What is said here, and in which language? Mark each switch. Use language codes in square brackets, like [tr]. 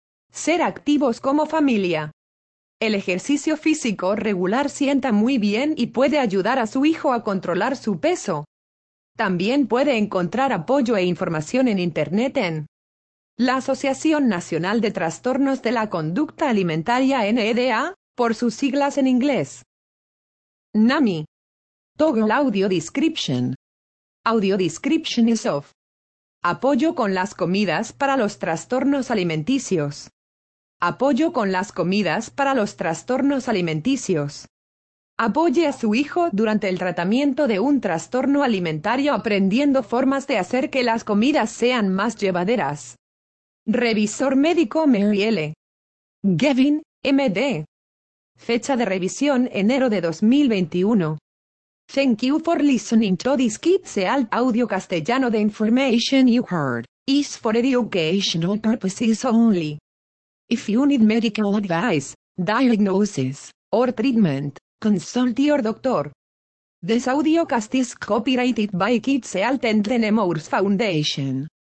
[es] Ser activos como familia. El ejercicio físico regular sienta muy bien y puede ayudar a su hijo a controlar su peso. También puede encontrar apoyo e información en Internet en la Asociación Nacional de Trastornos de la Conducta Alimentaria NDA, por sus siglas en inglés. [en] NAMI. Toggle Audio Description. Audio description is off. [es] Apoyo con las comidas para los trastornos alimenticios. Apoyo con las comidas para los trastornos alimenticios. Apoye a su hijo durante el tratamiento de un trastorno alimentario aprendiendo formas de hacer que las comidas sean más llevaderas. Revisor médico Mary L. Gavin, MD. Fecha de revisión enero de 2021. [en] Thank you for listening to this KidsAlt audio castellano. The information you heard is for educational purposes only. If you need medical advice, diagnosis, or treatment, consult your doctor. This audio cast is copyrighted by KidsAlt and the Nemours Foundation.